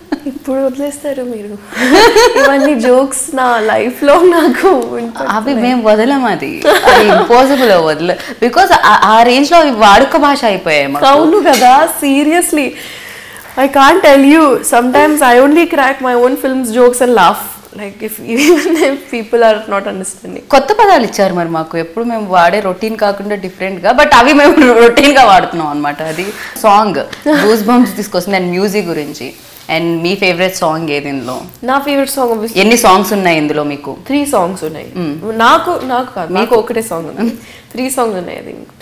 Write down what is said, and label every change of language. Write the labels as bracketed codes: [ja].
[te] ఇప్పుడు వదిలేస్తారు మీరు ఇవన్నీ జోక్స్, నా లైఫ్లో నాకు అవి మేము వదలం, అది ఇంపాసిబుల్, వదల, బికాజ్ ఆ రేంజ్లో అవి వాడుక భాష అయిపోయాయి. అవును కదా, [en] Seriously I can't tell you, sometimes I only crack my own films jokes and laugh. Like if even if people are not understanding. [te] కొత్త పదాలు ఇచ్చారు మరి మాకు, ఎప్పుడు మేము వాడే రొటీన్ కాకుండా డిఫరెంట్గా, బట్ అవి మేము రొటీన్గా వాడుతున్నాం అన్నమాట. అది సాంగ్ గూస్ బంప్స్ తీసుకొస్తుంది. అండ్ మ్యూజిక్ గురించి, అండ్ మీ ఫేవరెట్ సాంగ్ ఏది ఇందులో? నా ఫేవరెట్ సాంగ్, ఎన్ని సాంగ్స్ ఉన్నాయి ఇందులో మీకు? త్రీ సాంగ్స్ ఉన్నాయి నాకు, నాకు కాదు మీకు ఒకటే సాంగ్, త్రీ సాంగ్స్ ఉన్నాయి అది.